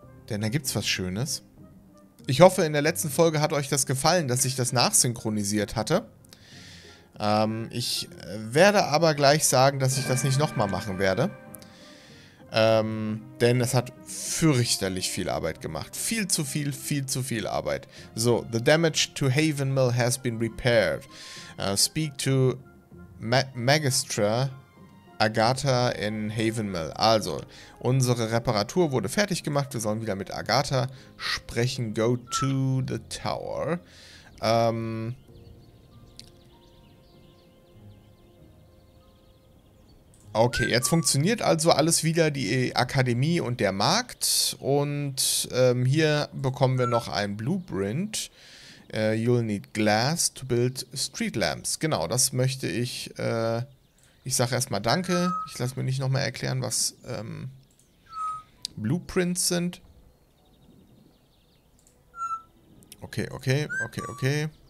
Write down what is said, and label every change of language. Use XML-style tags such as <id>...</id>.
<de>Denn da gibt es was Schönes. Ich hoffe, in der letzten Folge hat euch das gefallen, dass ich das nachsynchronisiert hatte. Ich werde aber gleich sagen, dass ich das nicht nochmal machen werde. Denn es hat fürchterlich viel Arbeit gemacht. Viel zu viel Arbeit.</de> <en>So, the damage to Haven Mill has been repaired. Speak to Magistra Agatha in Haven Mill.</en> <de>Also, unsere Reparatur wurde fertig gemacht. Wir sollen wieder mit Agatha sprechen.</de> <en>Go to the tower.</en> <de>Okay, jetzt funktioniert also alles wieder, die Akademie und der Markt. Und hier bekommen wir noch ein Blueprint.</de> <en>You'll need glass to build street lamps.</en> <de>Genau, das möchte ich. Ich sage erstmal danke. Ich lasse mir nicht nochmal erklären, was Blueprints sind. Okay.</de>